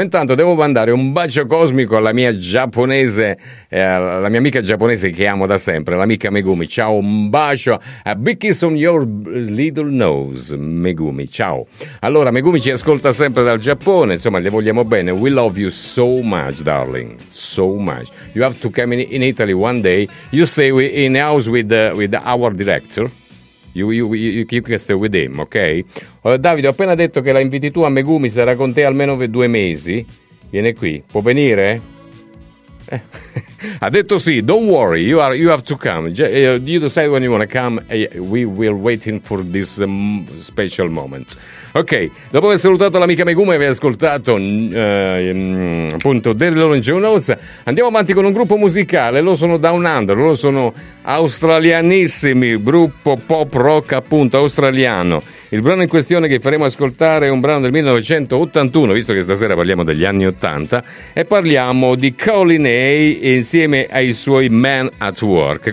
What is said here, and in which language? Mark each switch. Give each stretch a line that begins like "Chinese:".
Italian: Intanto devo mandare un bacio cosmico alla mia giapponese, alla mia amica giapponese che amo da sempre, l'amica Megumi. Ciao, un bacio,
English: a big kiss on your little nose, Megumi, ciao.
Italian: Allora, Megumi ci ascolta sempre dal Giappone, insomma, le vogliamo bene.
English: We love you so much, darling, so much. You have to come in Italy one day. You stay in house with our director. You can stay with him, ok?
Italian: Davide, ho appena detto che la inviti tu a Megumi, sarà con te almeno per 2 mesi. Viene qui, può venire? Ha detto sì,
English: don't worry, you have to come. You decide when you want to come, we will waiting for this special moment.
Italian: Ok, dopo aver salutato l'amica Megumi e aver ascoltato appunto The Rolling Stones, andiamo avanti con un gruppo musicale. Loro sono Down Under, loro sono australianissimi, gruppo pop rock appunto australiano. Il brano in questione che faremo ascoltare è un brano del 1981, visto che stasera parliamo degli anni 80, e parliamo di Colin Hay insieme ai suoi Men at Work.